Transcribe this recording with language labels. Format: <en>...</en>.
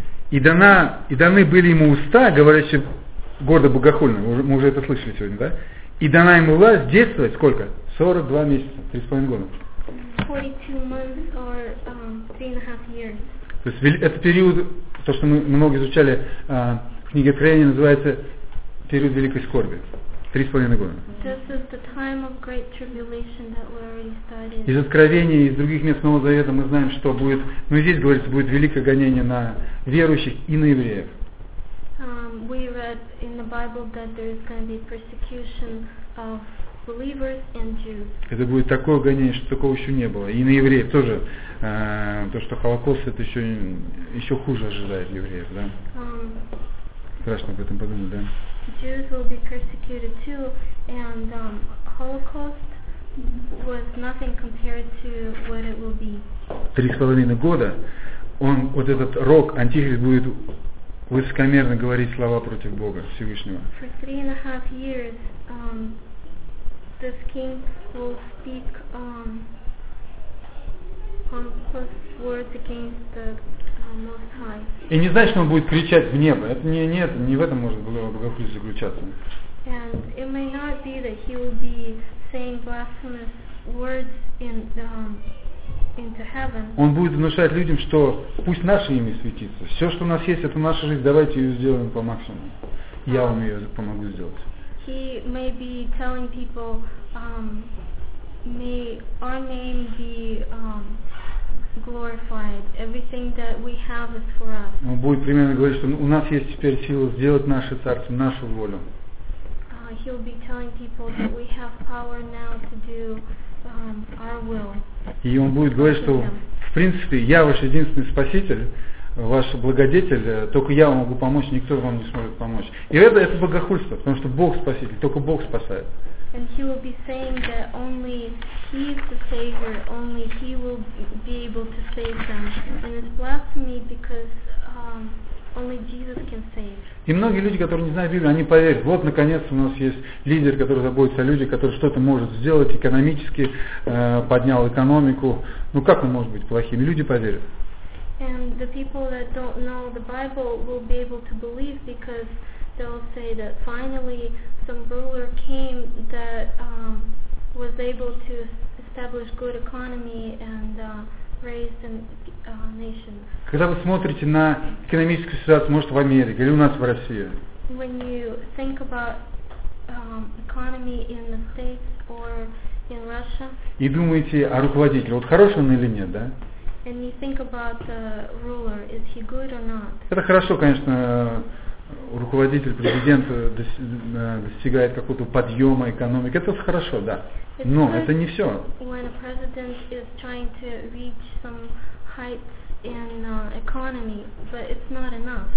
<ru>и даны были ему уста, говорящие гордо богохульно, мы уже это слышали сегодня, да? И дана ему власть действовать сколько? 42 месяца, 3,5 года.</ru> <en>42 месяца, or 3.5 years.</en> <ru>То есть это период, то, что мы много изучали в книге Откровения, называется период великой скорби. 3,5 года.</ru> <en>This is the time of great tribulation that we already studied.</en> <ru>Из Откровения, из других мест Нового Завета мы знаем, что будет, ну и здесь говорится, будет великое гонение на верующих и на евреев.</ru> <en>We read in the Bible that there is going to be persecution of believers and Jews.</en> <ru>Это будет такое гонение, что такого еще не было. И на евреев тоже. То, что Холокост, это еще, еще хуже ожидает евреев, да? Страшно об этом подумать, да?</ru> <en>Jews will be persecuted too, and Holocaust was nothing compared to what it will be.</en> <ru>3,5 года, он, вот этот рок, антихрист будет высокомерно говорить слова против Бога Всевышнего.</ru> <en>For 3.5 years, this king will speak pompous words against the Most High.</en> <ru>И не значит, что он будет кричать в небо. Это не, нет, не в этом может было богохульство заключаться.</ru> <en>And it may not be that he will be saying blasphemous words into heaven.</en> <ru>Он будет внушать людям, что пусть наше имя светится. Все, что у нас есть, это наша жизнь. Давайте ее сделаем по максимуму. Я вам ее помогу сделать.</ru> <en>He may be telling people, may our name be glorified. Everything that we have is for us.</en> <ru>Он будет примерно говорить, что у нас есть теперь сила сделать наше царство, нашу волю.</ru> <en>He'll be telling people that we have power now to do our will.</en> <ru>И он будет говорить, что в принципе я ваш единственный спаситель, ваш благодетель, только я вам могу помочь, никто вам не сможет помочь. И это богохульство, потому что Бог спаситель, только Бог спасает.</ru> <en>And he will be saying that only he is the savior, only he will be able to save them. And it's blasphemy because only Jesus can save.</en> <ru>И многие люди, которые не знают Библию, они поверят, вот, наконец, у нас есть лидер, который заботится о людях, который что-то может сделать экономически, поднял экономику. Ну как он может быть плохим? Люди поверят.</ru> <en>And the people that don't know the Bible will be able to believe because they'll say that finally some ruler came that was able to establish good economy and raise the nation.</en> <ru>Когда вы смотрите на экономическую ситуацию, может, в Америке или у нас в России?</ru> <en>When you think about economy in the States or in Russia.</en> <ru>И думаете о руководителе, вот хороший он или нет, да?</ru> <en>And you think about the ruler, is he good or not?</en> <ru>Это хорошо, конечно, руководитель, президент достигает какого-то подъема экономики. Это хорошо, да. Но это не все.</ru> <en>When a president is trying to reach some heights in economy, but it's not enough.</en>